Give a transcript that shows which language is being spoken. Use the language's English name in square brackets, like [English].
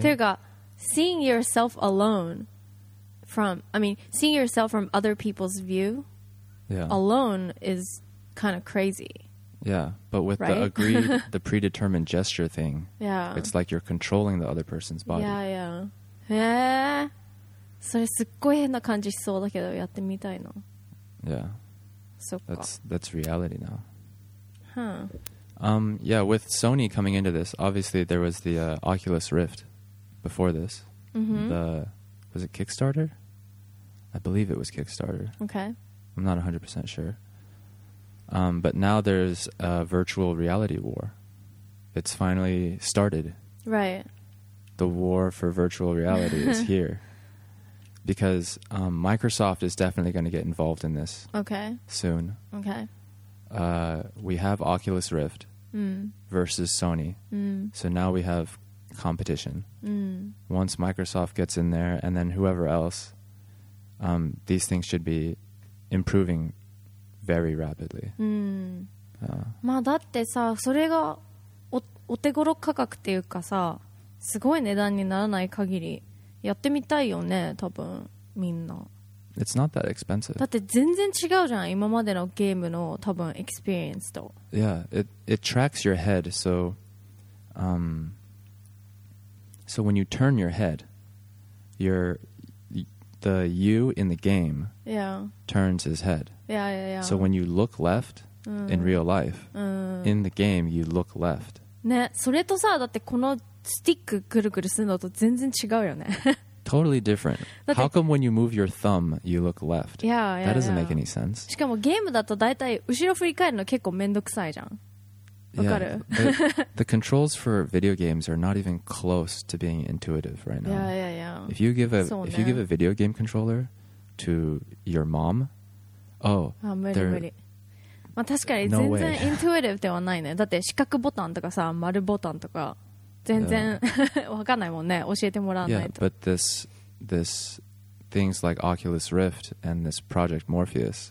[Japanese] というか, [English] seeing yourself alone from, I mean, seeing yourself from other people's view alone is kind of crazy. Yeah, but with the agreed, the predetermined gesture thing, it's like you're controlling the other person's body. Yeah, yeah. [Japanese] それすっごい変な感じしそうだけどやってみたいの。 [English] Yeah. [Japanese] そっか。 [English] That's reality now. Huh. Yeah, with Sony coming into this, obviously there was the Oculus Rift before this. Mm-hmm. The, was it Kickstarter? I believe it was Kickstarter. Okay. I'm not 100% sure. But now there's a virtual reality war. It's finally started. Right. The war for virtual reality is here. Because Microsoft is definitely going to get involved in this. Okay. Soon. Okay. We have Oculus Rift versus Sony. So now we have competition. Once Microsoft gets in there and then whoever else, these things should be improving very rapidly. [Japanese] まあだってさ、それがお手頃価格っていうかさ、すごい値段にならない限りやってみたいよね、多分みんな。 [English] It's not that expensive. [Japanese] だって全然違うじゃん、今までのゲームの多分 experience と。 [English] Yeah, it tracks your head, so, so when you turn your head, the you in the game turns his head. Yeah, yeah, yeah. So when you look left in real life, in the game you look left. [Japanese] ね、それとさ、だってこのスティックぐるぐるするのと全然違うよね。 [English] Totally different. How come when you move your thumb, you look left? Yeah, yeah. That doesn't yeah. make any sense. [Japanese] しかもゲームだとだいたい後ろ振り返るの結構めんどくさいじゃん。 [English] Yeah, the controls for video games are not even close to being intuitive right now. Yeah, yeah, yeah. If you give a video game controller to your mom, [Japanese] まあ確かに全然インテューティブではないね。だって四角ボタンとかさ、丸ボタンとか。全然わかんないもんね。教えてもらわないと。 [English] Yeah, but this things like Oculus Rift and this Project Morpheus.